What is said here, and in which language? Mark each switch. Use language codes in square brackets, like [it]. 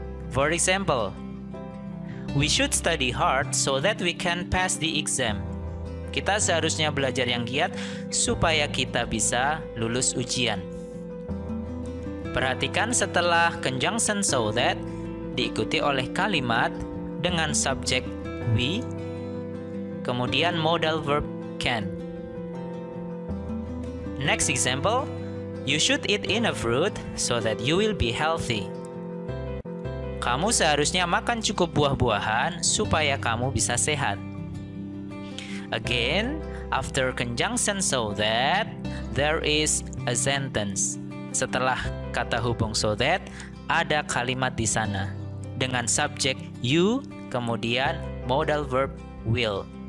[en] For example, we should study hard so that we can pass the exam. [id] Kita seharusnya belajar yang giat supaya kita bisa lulus ujian. Perhatikan setelah conjunction so that diikuti oleh kalimat dengan subjek we, kemudian modal verb can. [en] Next example, you should eat enough fruit so that you will be healthy. [id] Kamu seharusnya makan cukup buah-buahan supaya kamu bisa sehat. [en] Again, after conjunction so that, there is a sentence. [id] Setelah kata hubung so that, ada kalimat di sana dengan subject you, kemudian modal verb will.